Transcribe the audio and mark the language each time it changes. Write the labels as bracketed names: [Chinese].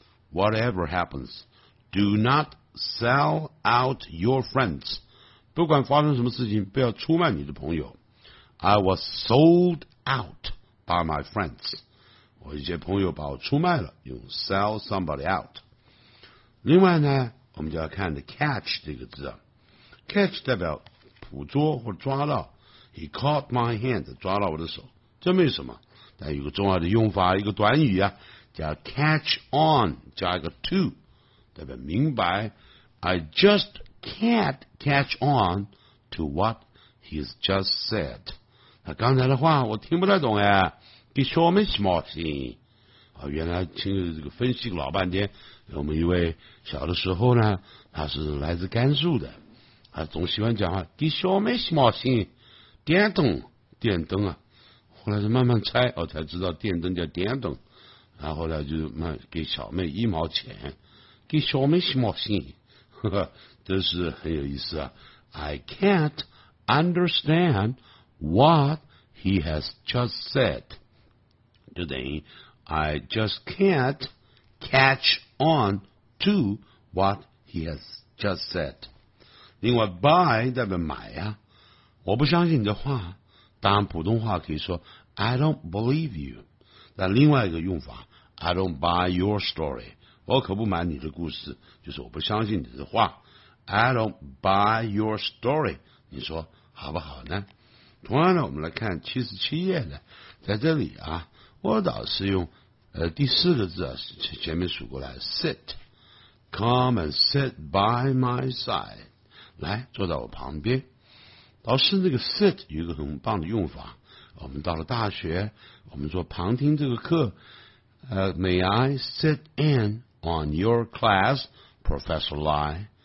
[English] Whatever happens, do not sell out your friends. [Chinese] 不管发生什么事情不要出卖你的朋友。 [English] I was sold out by my friends. [Chinese] 我一些朋友把我出卖了用 [English] sell somebody out。 [Chinese] 另外呢我们就要看的 catch 这个字啊。catch 代表捕捉或抓到。 [English] He caught my hand, [Chinese] 抓到我的手。这没什么，但有个重要的用法，一个短语啊，叫 catch on 加一个 to， 代表明白。 [English] I just can't catch on to what he's just said。 [Chinese] 那刚才的话我听不太懂哎，你说我们什么心？啊，原来听这个分析老半天，我们一位小的时候呢，他是来自甘肃的，他总喜欢讲话，你说我们什么心？电灯，电灯啊。后来就慢慢猜我、哦、才知道电灯叫电灯，然后呢就给小妹一毛钱，给小妹什么信？呵呵，真是很有意思啊。 [English] I can't understand what he has just said. [Chinese] 就等于 [English] I just can't catch on to what he has just said. [Chinese] 另外 buy 代表买啊，我不相信你的话，当然普通话可以说 [English] I don't believe you. [Chinese] 但另外一个用法 [English] I don't buy your story. [Chinese] 我可不买你的故事，就是我不相信你的话。 [English] I don't buy your story， [Chinese] 你说好不好呢？同样的，我们来看77页呢，在这里啊，我倒是用第四个字啊，前面数过来 ，sit， [English] come and sit by my side， [Chinese] 来坐在我旁边。老师，那个 sit 有一个很棒的用法，我们到了大学，我们做旁听这个课。 [English] May I sit in on your class, Professor Lai?